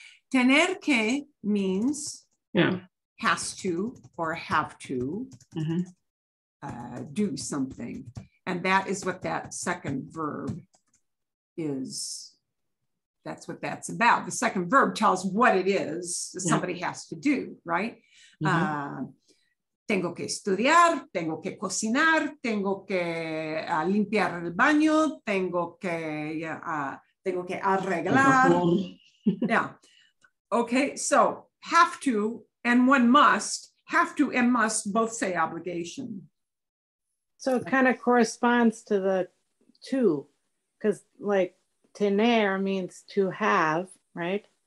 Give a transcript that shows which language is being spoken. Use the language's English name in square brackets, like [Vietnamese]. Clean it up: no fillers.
[Spanish] Tener que [English] means has to or have to do something. And that is what that second verb is. That's what that's about. The second verb tells what it is somebody has to do, right? Mm-hmm. [Spanish] Tengo que estudiar, tengo que cocinar, tengo que limpiar el baño, tengo que arreglar. [English] Yeah. Okay, so have to and one must, have to and must both say obligation. So it kind of corresponds to the two, because like tener means to have, right?